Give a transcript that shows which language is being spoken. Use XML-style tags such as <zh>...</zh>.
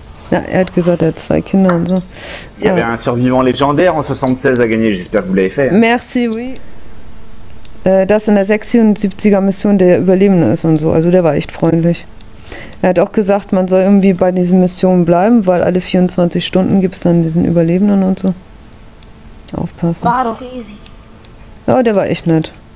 <de>Ja, er hat gesagt, er hat zwei Kinder und so.</de> <fr>Il y avait un survivant légendaire en 76 à gagner, j'espère que vous l'avez fait. Merci, oui.</fr> <de>Das in der 76er Mission der Überlebende ist und so. Also der war echt freundlich. Er hat auch gesagt, man soll irgendwie bei diesen Missionen bleiben, weil alle 24 Stunden gibt es dann diesen Überlebenden und so. Aufpassen. War doch easy. Ja, der war echt nett.</de>